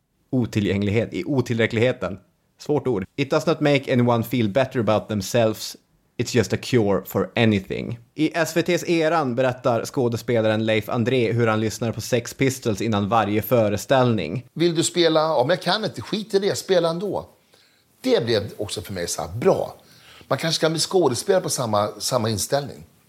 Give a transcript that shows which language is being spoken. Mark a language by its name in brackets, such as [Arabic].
[Swedish] Otillgänglighet, i otillräckligheten. Svårt ord. [English] It does not make anyone feel better about themselves. It's just a cure for anything. [Swedish] I SVT:s Eran berättar skådespelaren Leif André hur han lyssnar på Sex Pistols innan varje föreställning. Vill du spela? Ja, men jag kan inte. Skit i det. Spela ändå. Det blev också för mig så här bra. Man kanske kan bli skådespelare på samma inställning.